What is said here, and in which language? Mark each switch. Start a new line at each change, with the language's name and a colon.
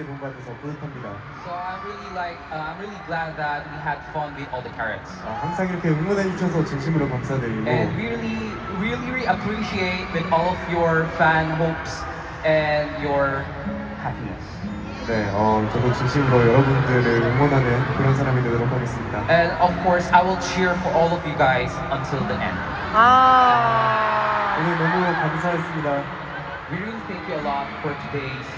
English: So I'm really glad that we had fun with all the carrots.
Korean: 항상 이렇게 응원해 주셔서 진심으로 감사드리고.
English: And really, really, really appreciate with all of your fan hopes and your happiness.
Korean: 네, 저도 진심으로 여러분들을 응원하는 그런 사람이 되도록 하겠습니다.
English: And of course, I will cheer for all of you guys until the end.
Korean: 오늘 너무 감사했습니다.
English: We really thank you a lot for today.